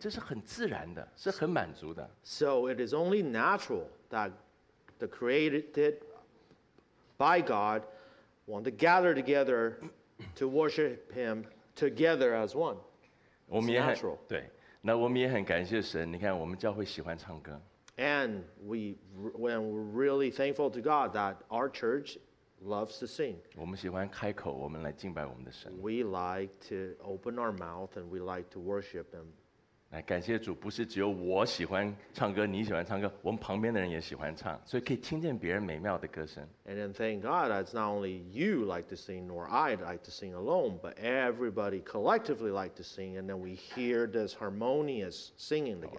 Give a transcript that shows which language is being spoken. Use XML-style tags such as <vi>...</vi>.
<zh>能够一起开口来到他的面前赞美，这是很自然的，是很满足的。</zh> <en>So it is only natural that the created by God want to gather together to worship him together as one. It's natural.</en> <zh>对，那我们也很感谢神。你看，我们教会喜欢唱歌。</zh> <en>And we're really thankful to God that our church loves to sing.</en> <zh>我们喜欢开口，我们来敬拜我们的神。</zh> <en>We like to open our mouth and we like to worship him.</en> <zh>来感谢主，不是只有我喜欢唱歌，你喜欢唱歌，我们旁边的人也喜欢唱，所以可以听见别人美妙的歌声。</zh> <en>And then thank God, it's not only you like to sing, nor I like to sing alone, but everybody collectively like to sing, and then we hear this harmonious singing together.</en>